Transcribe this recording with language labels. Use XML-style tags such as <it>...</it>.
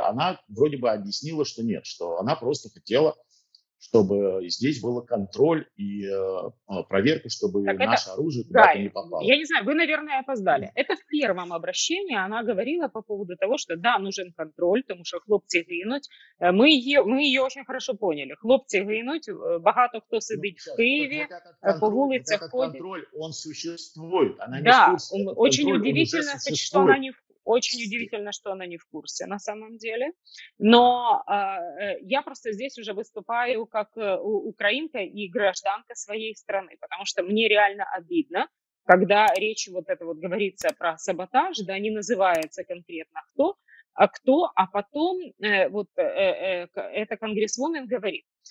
<ru>Она вроде бы объяснила, что нет, что она просто хотела, чтобы здесь был контроль и проверка, чтобы так наше это... оружие туда Гарри, не попало. Я не знаю, вы, наверное, опоздали. Это в первом обращении она говорила по поводу того, что да, нужен контроль, потому что</ru> <uk>хлопцы гинуть.</uk> <ru>Мы ее очень хорошо поняли.</ru> <uk>Хлопцы гинуть, багато хто сидить в Києві, по вулицях ходить.</uk> <ru>Контроль, он существует. Она да, не очень удивительно, что она не в курсе. Очень удивительно, что она не в курсе на самом деле. Но я просто здесь уже выступаю как украинка и гражданка своей страны, потому что мне реально обидно, когда речь вот это вот говорится про саботаж, да, не называется конкретно кто, а потом вот эта конгрессвумен говорит.</ru>